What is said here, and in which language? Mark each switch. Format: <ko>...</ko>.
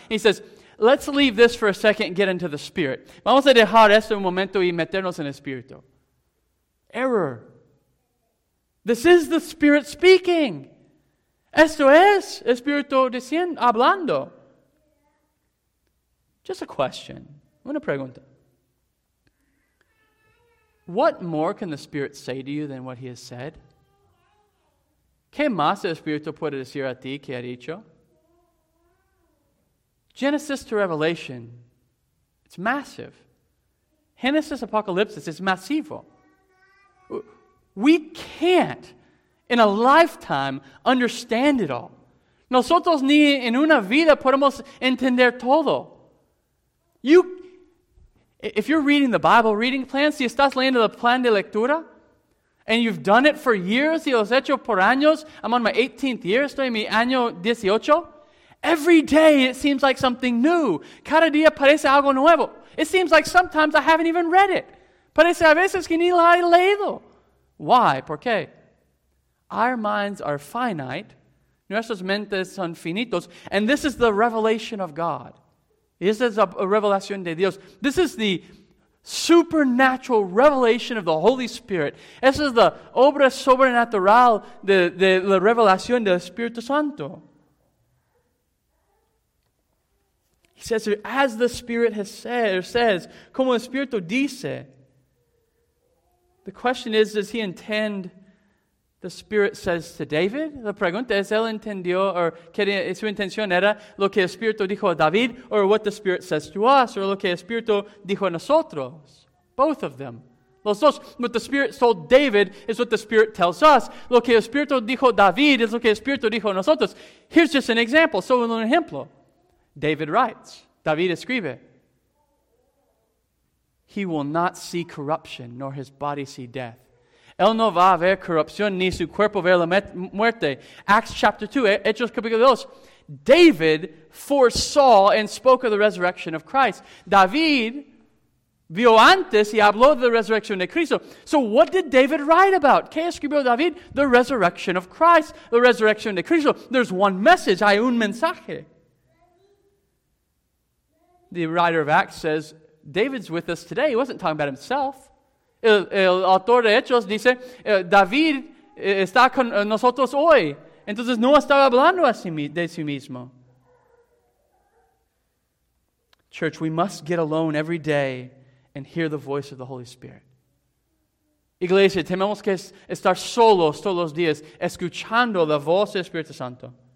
<en>He says, let's leave this for a second and get into the Spirit.</en> <es>Vamos a dejar esto un momento y meternos en el Espíritu.</es> <en>Error. This is the Spirit speaking.</en> <es>Esto es Espíritu diciendo, hablando.</es> <en>Just a question.</en> <es>Una pregunta.</es> <en>What more can the Spirit say to you than what He has said?</en> <es>¿Qué más el Espíritu puede decir a ti que ha dicho?</es> <en>Genesis to Revelation, it's massive. Genesis Apocalypsis, it's masivo. We can't, in a lifetime, understand it all.</en> <es>Nosotros ni en una vida podemos entender todo.</es> <en>If you're reading the Bible reading plan,</en> <es>si estás leyendo el plan de lectura,</es> <en>and you've done it for years,</en> <es>y los he hecho por años,</es> <en>I'm on my 18th year,</en> <es>estoy en mi año 18.</es> <en>Every day it seems like something new.</en> <es>Cada día parece algo nuevo.</es> <en>It seems like sometimes I haven't even read it.</en> <es>Parece a veces que ni lo he leído.</es> <en>Why?</en> <es>¿Por qué?</es> <en>Our minds are finite.</en> <es>Nuestras mentes son finitos.</es> <en>And this is the revelation of God. This is a</en> <es>revelación de Dios.</es> <en>This is the supernatural revelation of the Holy Spirit.</en> <es>Esa es la obra sobrenatural de la revelación del Espíritu Santo.</es> <en>He says, as the Spirit has said, or says,</en> <es>como el Espíritu dice.</es> <en>The question is, does he intend, the Spirit says to David?</en> <es>La pregunta es, ¿él entendió o su intención era lo que el Espíritu dijo a David</es> <en>or what the Spirit says to us</en> <es>or lo que el Espíritu dijo a nosotros?</es> <en>Both of them.</en> <es>Los dos.</es> <en>What the Spirit told David is what the Spirit tells us.</en> <es>Lo que el Espíritu dijo a David es lo que el Espíritu dijo a nosotros.</es> <en>Here's just an example. So,</en> <es>un ejemplo.</es> <en>David writes.</en> <es>David escribe.</es> <en>He will not see corruption, nor his body see death.</en> <es>Él no va a ver corrupción, ni su cuerpo ver la muerte.</es> <en>Acts chapter 2,</en> <es>Hechos capítulo 2.</es> <en>David foresaw and spoke of the resurrection of Christ.</en> <es>David vio antes y habló de la resurrección de Cristo.</es> <en>So what did David write about?</en> <es>¿Qué escribió David?</es> <en>The resurrection of Christ, the resurrection</en> <es>de Cristo.</es> <en>There's one message,</en> <es>hay un mensaje.</es> <en>The writer of Acts says, David's with us today. He wasn't talking about himself.</en> <es>El autor de Hechos dice, David está con nosotros hoy. Entonces no estaba hablando de sí mismo.</es> <en>Church, we must get alone every day and hear the voice of the Holy Spirit.</en> <es>Iglesia, tenemos que estar solos todos los días escuchando la voz del Espíritu Santo.</es>